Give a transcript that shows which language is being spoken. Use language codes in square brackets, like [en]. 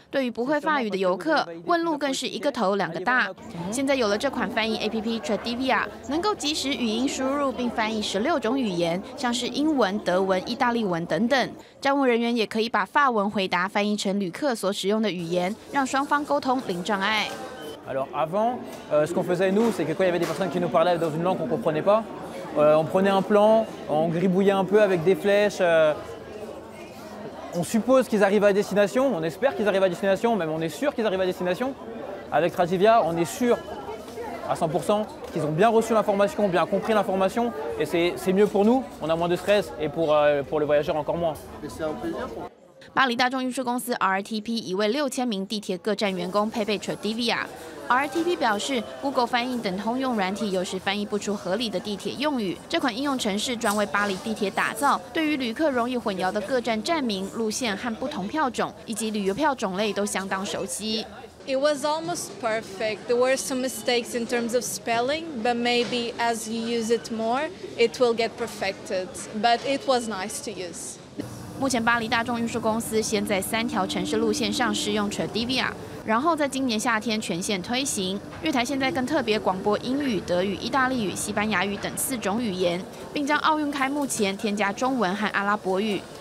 [zh] 对于不会法语的游客，问路更是一个头两个大。现在有了这款翻译 APP Tradivia， 能够即时语音输入并翻译16种语言，像是英文、德文、意大利文等等。站务人员也可以把法文回答翻译成旅客所使用的语言，让双方沟通零障碍。 [fr] Alors avant, ce qu'on faisait nous, c'est que quand il y avait des personnes qui nous parlaient dans une langue qu'on comprenait pas. On prenait un plan, on gribouillait un peu avec des flèches. On suppose qu'ils arrivent à destination, on espère qu'ils arrivent à destination, même on est sûr qu'ils arrivent à destination. Avec Tradivia, on est sûr à 100%, qu'ils ont bien reçu l'information, bien compris l'information, et c'est mieux pour nous, on a moins de stress, et pour les voyageurs encore moins. [zh] 巴黎大众运输公司 RTP 已为6000名地铁各站员工配备 Tradivia。 RTP 表示 ，Google 翻译等通用软体有时翻译不出合理的地铁用语。这款应用程式专为巴黎地铁打造，对于旅客容易混淆的各站站名、路线和不同票种，以及旅游票种类都相当熟悉。 [en] It was almost perfect. There were some mistakes in terms of spelling, but maybe as you use it more, it will get perfected. But it was nice to use. [zh] 目前巴黎大众运输公司先在三条城市路线上试用 Tradivia， 然后在今年夏天全线推行。月台现在更特别广播英语、德语、意大利语、西班牙语等四种语言，并将奥运开幕前添加中文和阿拉伯语。